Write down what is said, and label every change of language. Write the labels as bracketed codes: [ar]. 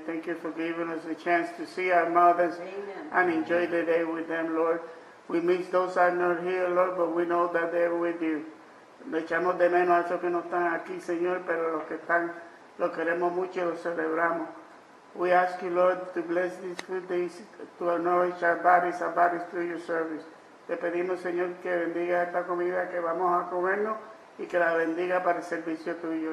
[en] Thank you for giving us a chance to see our mothers. Amen. And enjoy the day with them, Lord. We miss those that are not here, Lord, but we know that they're with you. [es] Le echamos de menos a esos que no están aquí, señor, pero los que están, los queremos mucho y los celebramos. [en] We ask you, Lord, to bless these good days, to nourish our bodies through your service. [es] Te pedimos, Señor, que bendiga esta comida que vamos a comernos y que la bendiga para el servicio tuyo.